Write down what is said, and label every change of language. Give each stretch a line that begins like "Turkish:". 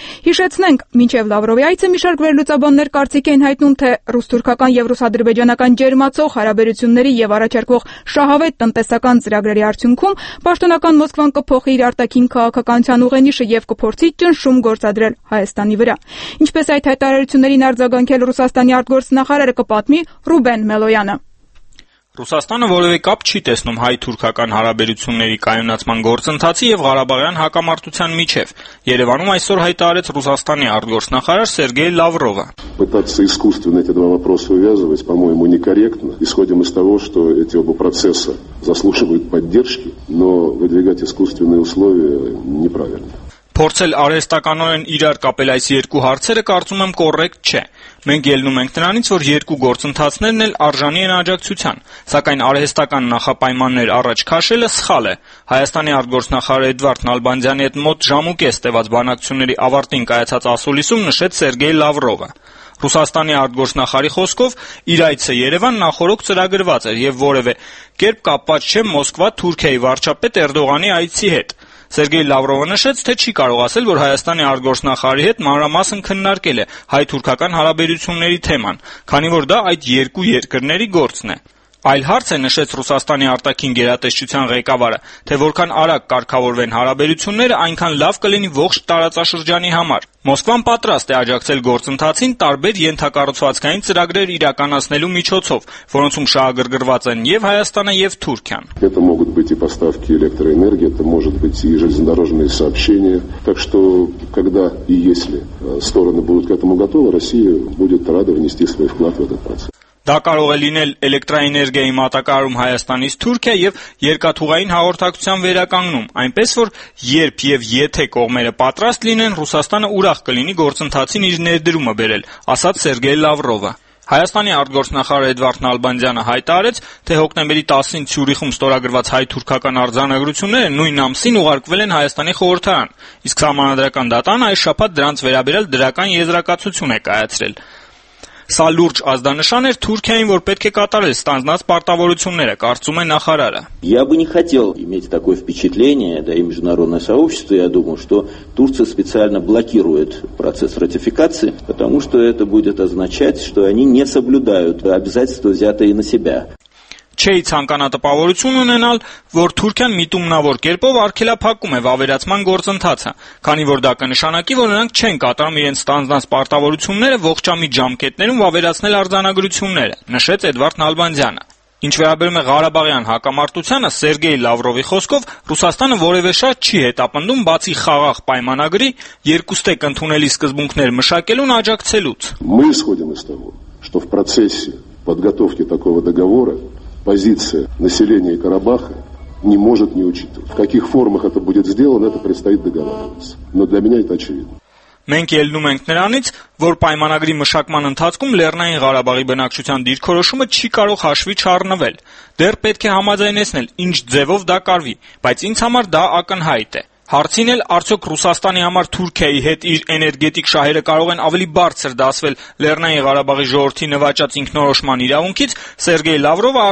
Armenian: Հիշեցնենք, մինչև Լավրովի այցը մի շարք վերլուծաբաններ կարծիք էին հայտնում, թե ռուս-թուրքական և ռուս-ադրբեջանական ջերմացող հարաբերությունների և առաջարկվող շահավետ տնտեսական ծրագրերի արդյունքում պաշտոնական Մոսկվան կփոխի իր արտաքին քաղաքականության ուղենիշը և կփորձի ճնշում գործադրել Հայաստանի վրա։ Ինչպես այդ հայտարարություններին արձագանքել Ռուսաստանի արտգործնախարարը կպատմի Ռուբեն Մելոյանը։ Ռուսաստանը որևէ կապ չի տեսնում հայ-թուրքական հարաբերությունների կայունացման գործընթացի և Ղարաբաղյան հակամարտության միջև։ Երևանում այսօր հայտարարեց Ռուսաստանի արտգործնախարար Սերգեյ Լավրովը։
Russian: Пытаться искусственно эти два вопроса увязывать, по-моему, некорректно. Исходим из того, что эти оба процесса заслуживают поддержки, но выдвигать искусственные условия неправильно.
Armenian: Փորձել արհեստականորեն իրար կապել այս երկու հարցերը կարծում եմ կոռեկտ չէ։ Մենք ելնում ենք նրանից, որ երկու գործընթացներն էլ արժանի են աջակցության, սակայն արհեստական նախապայմաններ առաջ քաշելը սխալ է։ Հայաստանի արտգործնախարար Էդվարդ Նալբանդյանի հետ մոտ ժամուկես տևած բանակցությունների ավարտին կայացած ասուլիսում նշեց Սերգեյ Լավրովը։ Ռուսաստանի արտգործնախարարի խոսքով իր այցը Երևան նախորոք ծրագրված էր և որևէ կերպ կապված չէ Մոսկվա-Թուրքիայի վարչապետ Էրդողանի այցի հետ։ Սերգեյ Լավրովը նշեց, թե չի կարող ասել, որ Հայաստանի արտգործնախարարի հետ մանրամասն քննարկել է հայ-թուրքական հարաբերությունների թեման, քանի որ դա այդ երկու երկրների գործն է։ Այլ հարց է, նշեց Ռուսաստանի արտաքին գերատեսչության ղեկավարը, թե որքան արագ կարգավորվեն հարաբերությունները, այնքան լավ կլինի ողջ տարածաշրջանի համար։ Մոսկվան պատրաստ է աջակցել գործընթացին տարբեր ենթակառուցվածքային ծրագրեր իրականացնելու միջոցով, որոնցում շահագրգռված են և Հայաստանը, և Թուրքիան։
Russian: Это могут быть и поставки электроэнергии, это может быть и железнодорожные сообщения. Так что, когда и если стороны будут к этому готовы, Россия будет рада внести свой вклад в этот процесс.
Armenian: Դա կարող է լինել էլեկտրաէներգիայի մատակարարում Հայաստանից Թուրքիա և երկաթուղային հաղորդակցության վերականգնում, այնպես որ երբ և եթե կողմերը պատրաստ լինեն, Ռուսաստանը ուրախ կլինի գործընթացին իր ներդրումը բերել, ասաց Սերգեյ Լավրովը։ Հայաստանի արտգործնախարար Էդվարդ Նալբանդյանը հայտարարեց, թե հոկտեմբերի 10-ին Ցյուրիխում ստորագրված հայ-թուրքական արձանագրությունները նույն ամսին ուղարկվել են Հայաստանի խորհրդարան, իսկ համանրադրական դատան այս շաբաթ դրանց վերաբերյալ դրական եզրակացություն է կայացրել։ Սա լուրջ ազդանշան էր Թուրքիային, որ պետք է կատարել ստանձնած պարտավորությունները, կարծում է նախարարը։
Russian: Я бы не хотел иметь такое впечатление, да и международное сообщество, я думаю, что Турция специально блокирует процесс ратификации, потому что это будет означать, что они не соблюдают обязательства, взятые на себя.
Armenian: Չէի ցանկանա տպավորություն ունենալ, որ Թուրքիան միտումնավոր կերպով արգելափակում է վավերացման գործընթացը, քանի որ դա կնշանակի, որ նրանք չեն կատարում իրենց ստանձնած պարտավորությունները ողջամիտ ժամկետներում վավերացնել արձանագրությունները, նշեց Էդվարդ Նալբանդյանը։ Ինչ վերաբերում է Ղարաբաղյան հակամարտությանը, Սերգեյ Լավրովի խոսքով, Ռուսաստանը որևէ շահ չի հետապնդում, բացի խաղաղ պայմանագրի երկուստեք ընդունելի սկզբունքներ մշակելուն աջակցելուց։
Russian: что в процессе подготовки такого договора позиция населения Карабаха не может не учитывать. В каких формах это будет сделано, это предстоит договариваться. Но для меня это очевидно.
Armenian: Մենք ելնում ենք նրանից, որ պայմանագրի մշակման ընթացքում Լեռնային Ղարաբաղի բնակչության դիրքորոշումը չի կարող հաշվի չառնվել։ Դեռ պետք է համաձայնեցնել, ինչ ձևով դա կարվի, բայց ինձ համար դա ակնհայտ է։ Հարցին էլ, արդյոք Ռուսաստանի համար Թուրքիայի հետ իր էներգետիկ շահերը կարող են ավելի բարձր դասվել Լեռնային Ղարաբաղի ժողովրդի նվաճած ինքնորոշման իրավունքից, Սերգեյ Լավրովը